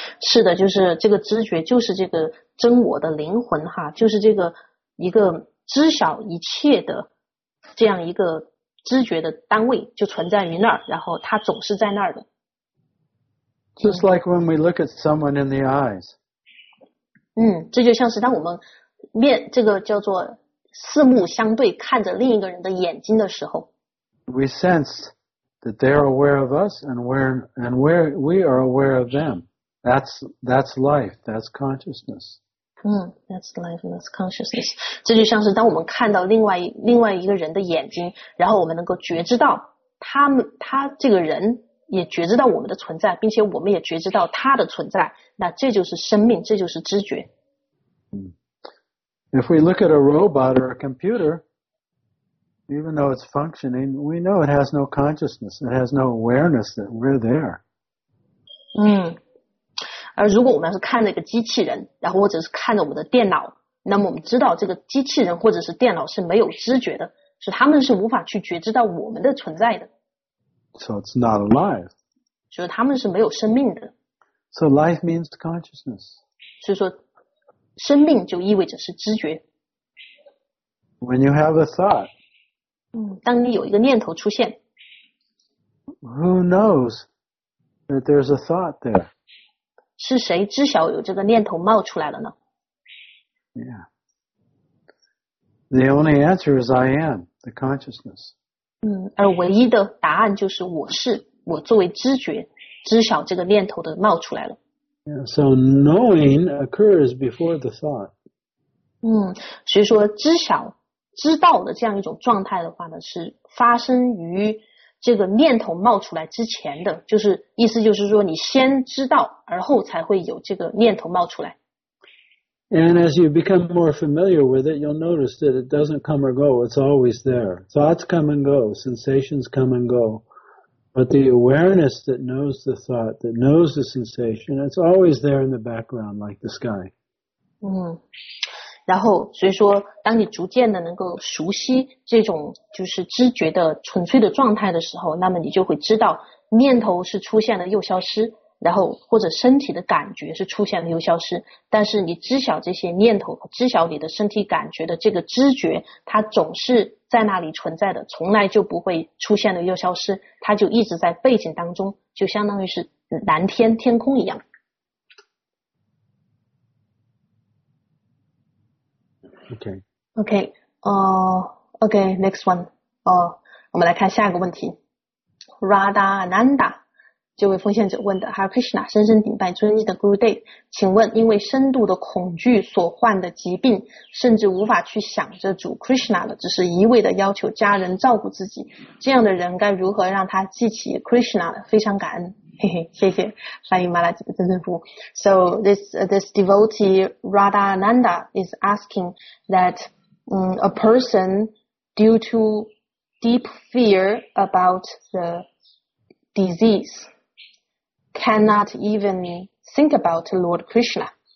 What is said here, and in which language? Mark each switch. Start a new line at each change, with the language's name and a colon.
Chinese: 是的，就是这个知觉就是这个真我的灵魂哈，就是这个一个知晓一切的这样一个知觉的单位就存在于那儿，然后它总是在那儿的。
English: Just like when we look at someone in the eyes.
Chinese: 嗯，这就像是当我们面这个叫做四目相对看着另一个人的眼睛的时候。
English: We sense that they're aware of us and we are aware of them. That's life, that's consciousness. 嗯 ,that's life, that's consciousness.
Chinese: 这就像是当我们看到另外一个人的眼睛，然后我们能够觉知到他这个人也觉知到我们的存在，并且我们也觉知到他的存在，那这就是生命，这就是知觉。
English: If we look at a robot or a computer, even though it's functioning, we know it has no consciousness, it has no awareness that we're there. 嗯。
Chinese: 而如果我们要是看着一个机器人，然后或者是看着我们的电脑，那么我们知道这个机器人或者是电脑是没有知觉的，是他们是无法去觉知到我们的存在的。
English: So it's not alive.
Chinese: 所以他们是没有生命的。
English: So life means consciousness.
Chinese: 所以说生命就意味着是知觉。
English: When you have a thought.
Chinese: 当你有一个念头出现。
English: Who knows that there's a thought there?
Chinese: 是谁知晓有这个念头冒出来了呢
English: ？Yeah, the only answer is I am the consciousness.
Chinese: 而唯一的答案就是我是我作为知觉知晓这个念头的冒出来了。
English: Yeah, so knowing occurs before the thought.
Chinese: 所以说知晓知道的这样一种状态的话呢，是发生于这个念头冒出来之前的，就是意思就是说你先知道而后才会有这个念头冒出来。
English: And as you become more familiar with it, you'll notice that it doesn't come or go, it's always there. Thoughts come and go, sensations come and go, but the awareness that knows the thought, that knows the sensation, it's always there in the background, like the sky.
Chinese: 然后所以说当你逐渐的能够熟悉这种就是知觉的纯粹的状态的时候，那么你就会知道念头是出现了又消失，然后或者身体的感觉是出现了又消失，但是你知晓这些念头知晓你的身体感觉的这个知觉，它总是在那里存在的，从来就不会出现了又消失，它就一直在背景当中，就相当于是蓝天天空一样。
English: Okay, next one.
Chinese: 我们来看下一个问题。Radha Ananda, 这位奉献者问的 Hare Krishna, 深深顶拜尊敬的 Guru Dev, 请问因为深度的恐惧所患的疾病，甚至无法去想着主 Krishna 了，只是一味的要求家人照顾自己，这样的人该如何让他记起 Krishna 了？非常感恩。谢谢翻译马拉吉的真正服务。
English: So this devotee Radha Ananda is asking that a person due to deep fear about the disease cannot even think about Lord Krishna.